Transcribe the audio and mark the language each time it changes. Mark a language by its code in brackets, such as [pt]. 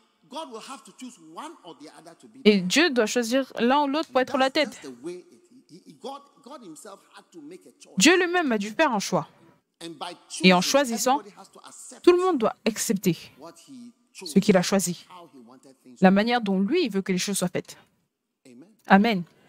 [en] God will have to choose one or the other to be. [fr] Et Dieu doit choisir l'un ou l'autre pour être la tête. [en] God himself had to make a choice. [fr] Dieu lui-même a dû faire un choix. Et en choisissant, tout le monde doit accepter ce qu'il a choisi, la manière dont lui veut que les choses soient faites. Amen.